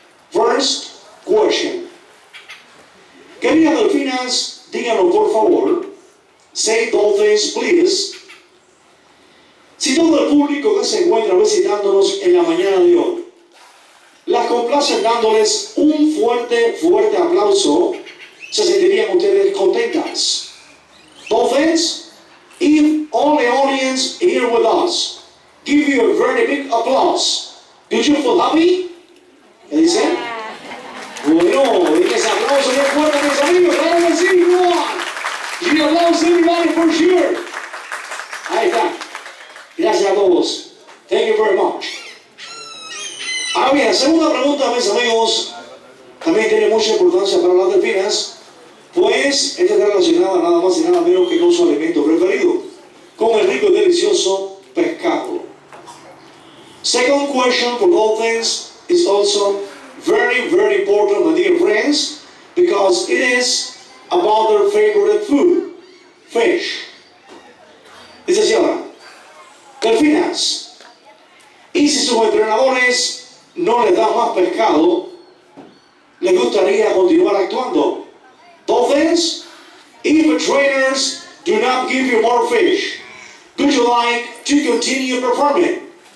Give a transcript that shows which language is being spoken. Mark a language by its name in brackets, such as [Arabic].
[English] First question. [Spanish] Queridas delfinas, díganos por favor. [English] Say dolphins, please. [Spanish] Si todo el público que se encuentra visitándonos en la mañana de hoy las complace dándoles un fuerte, fuerte aplauso, se sentirían ustedes contentas. [English] Dolphins, if all the audience here with us give you a very big applause, do you feel happy? [Spanish] ¿Qué dice? Bueno, dice ese aplauso bien fuerte, mis amigos. ¡Claro que sí, [English] you are! ¡You love everybody for sure! [Spanish] Ahí está. Gracias a todos. [English] Thank you very much. [Spanish] Ahora bien, segunda pregunta, mis amigos. También tiene mucha importancia para las delfinas. Pues, esta está relacionada nada más y nada menos que con su alimento preferido. Con el rico y delicioso pescado. [English] Second question for dolphins is also very, very important, my dear friends. Because it is about their favorite food. Fish. [Spanish] Dice así ahora. Delfinas, y si sus entrenadores no les dan más pescado, ¿les gustaría continuar actuando? [English] Dolphins, if the trainers do not give you more fish, would you like to continue performing?